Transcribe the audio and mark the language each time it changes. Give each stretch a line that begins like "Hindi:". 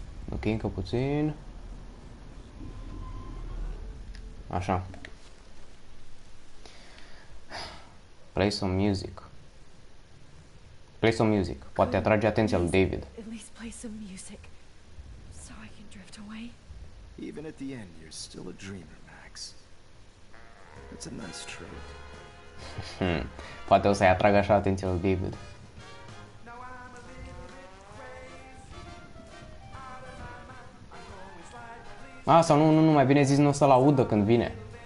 Romanian: Ok, încă puțin. Așa.
English: Play some music. Play some music.
Romanian: Poate atrage atenția lui David.
English: At least play some music so I can drift away. Even at the end, you're still a dreamer, Max. That's a nice trait.
Romanian: Poate o să-i atragă așa atenția lui David. Ah, sau nu, nu, nu, mai bine zis, nu o să-l audă când vine.